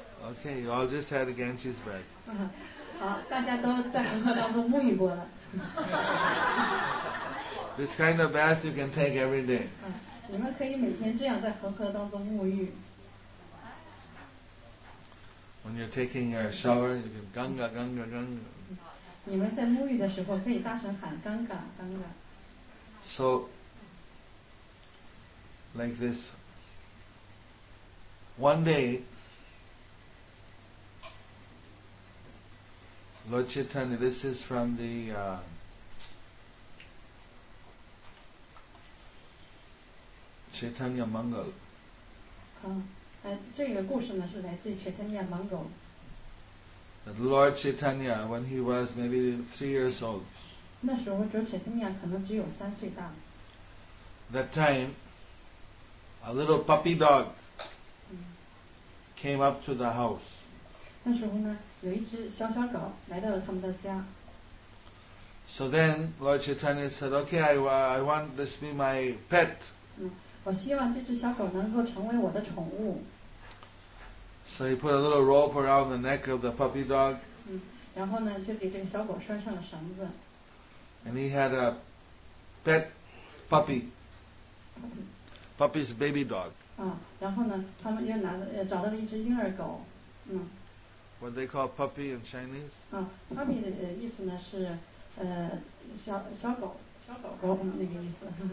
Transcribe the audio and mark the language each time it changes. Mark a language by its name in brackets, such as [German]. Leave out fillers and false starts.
[English] Okay, you all just had a Ganges bag. [Chinese] 好，大家都在恒河当中沐浴过了。 [English] This kind of bath you can take every day. [Chinese] 你们可以每天这样在恒河当中沐浴。 [English] When you're taking your shower, you can Ganga, Ganga, Ganga. [Chinese] 你们在沐浴的时候可以大声喊 Ganga, Ganga. [English] So, like this. One day, Lord Chaitanya, this is from the Chaitanya Mangal. [Chinese] 这个故事呢是来自 Chaitanya Mangal. [English] That Lord Chaitanya, when he was maybe 3 years old, [Chinese] 那时候卓切特尼亚可能只有三岁大。 [English] That time, a little puppy dog came up to the house. [Chinese] 那时候呢，有一只小小狗来到了他们的家。 [English] So then, Lord Chaitanya said, "Okay, I want this be my pet." [Chinese] 我希望这只小狗能够成为我的宠物。 [English] So he put a little rope around the neck of the puppy dog. [Chinese] 然后呢，就给这个小狗拴上了绳子。 [English] And he had a pet puppy. Puppy's baby dog. [Chinese] 然后呢，他们又拿了，找到了一只婴儿狗。 [English] What they call puppy in Chinese? [Chinese] Puppy 的意思呢是，小狗那个意思。